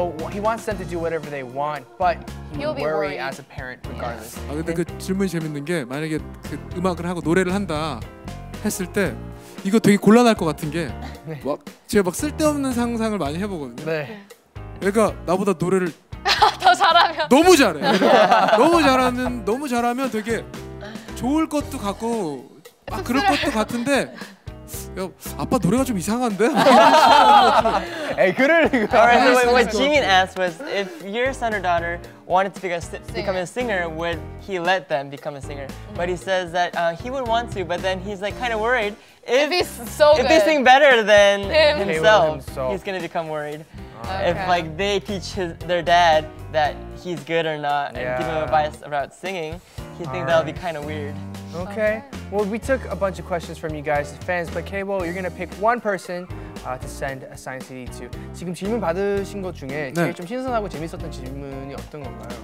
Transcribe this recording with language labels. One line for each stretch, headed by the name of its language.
English: He wants them to do whatever they want, but he'll worry as a parent regardless. Yes.
Korean: 아 근데 그 질문이 재밌는 게 만약에 그 음악을 하고 노래를 한다 했을 때 이거 되게 곤란할 것 같은 게 막 제가 막 쓸데없는 상상을 많이 해보거든요. 네. 애가 나보다 노래를 더 잘하면 너무 잘해 너무 잘하면 되게 좋을 것도 같고 막 그럴 것도 같은데 야, 아빠 노래가 좀 이상한데? 에이 그럴
English: Alright, so what Jimin asked was if your son or daughter wanted to become a singer would he let them become a singer? Mm-hmm. But he says that he would want to but then he's like kind of worried if he's so good if they sing better than himself he's gonna become worried Okay. If like they teach their dad that he's good or not, and give him advice about singing, He thinks that'll be kind of weird. Okay. Well, we took a bunch of questions from you guys, the fans, but K.Will, you're going to pick one person to send a signed CD to.
Korean: 지금 질문 받으신 것 중에 네. 제일 좀 신선하고 재밌었던 질문이 어떤 건가요?